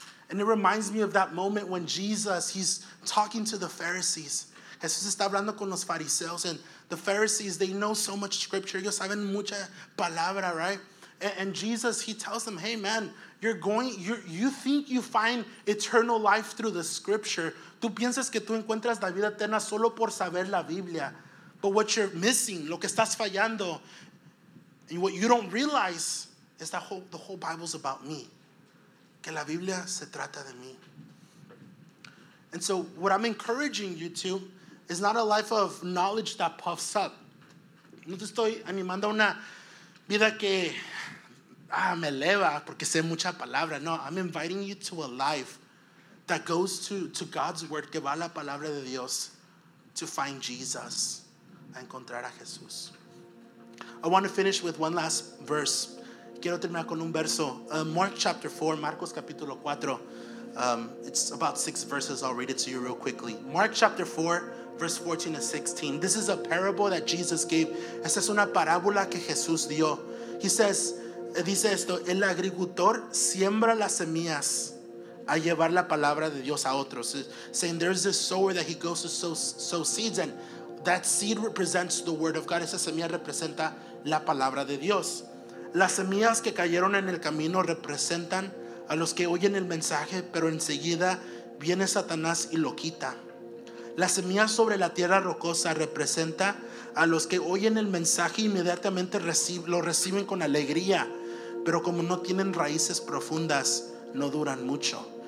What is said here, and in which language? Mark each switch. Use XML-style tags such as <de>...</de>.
<en>And it reminds me of that moment when Jesus, he's talking to the Pharisees.</en> <es>Jesús está hablando con los fariseos.</es> <en>And the Pharisees, they know so much scripture.</en> <es>Ellos saben mucha palabra,</es> <en>right? And Jesus, he tells them, hey, man, you think you find eternal life through the scripture.</en> <es>Tú piensas que tú encuentras la vida eterna solo por saber la Biblia.</es> <en>But what you're missing,</en> <es>lo que estás fallando,</es> <en>and what you don't realize is that the whole Bible's about me.</en> <es>Que la Biblia se trata de mí.</es> <en>And so what I'm encouraging you to is not a life of knowledge that puffs up.</en> <es>No te estoy animando a una vida que me eleva porque sé mucha palabra.</es> <en>No, I'm inviting you to a life that goes to God's word,</en> <es>que va a la palabra de Dios,</es> <en>to find Jesus,</en> <es>a encontrar a Jesús.</es> <en>I want to finish with one last verse.</en> <es>Quiero terminar con un verso.</es> <en>Mark chapter 4,</en> <es>Marcos capítulo 4.</es> <en>It's about 6 verses. I'll read it to you real quickly. Mark chapter 4, verse 14 to 16. This is a parable that Jesus gave.</en> <es>Esta es una parábola que Jesús dio. He says, dice esto, el agricultor siembra las semillas a llevar la palabra de Dios a otros.</es> <en>Saying there's this sower that he goes to sow seeds, and that seed represents the word of God.</en> <es>Esa semilla representa la palabra de Dios. Las semillas que cayeron en el camino representan a los que oyen el mensaje, pero enseguida viene Satanás y lo quita. Las semillas sobre la tierra rocosa representa a los que oyen el mensaje e inmediatamente lo reciben con alegría, pero como no tienen raíces profundas, no duran mucho.</es>